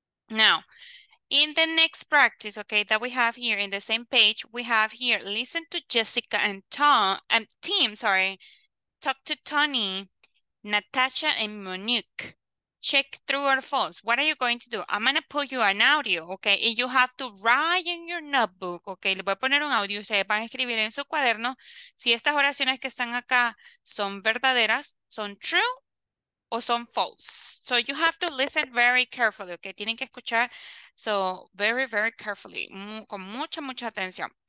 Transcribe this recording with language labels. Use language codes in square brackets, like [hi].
[en] Now, in the next practice, okay, that we have here in the same page, we have here, listen to Jessica and Tim, talk to Tony, Natasha, and Monique. Check true or false. What are you going to do? I'm going to put you an audio, okay? And you have to write in your notebook, okay? [es] Le voy a poner un audio. Ustedes van a escribir en su cuaderno si estas oraciones que están acá son verdaderas, son true, o son false. [en] So you have to listen very carefully, okay? [es] Tienen que escuchar, [en] so very, very carefully, [es] con mucha, mucha atención.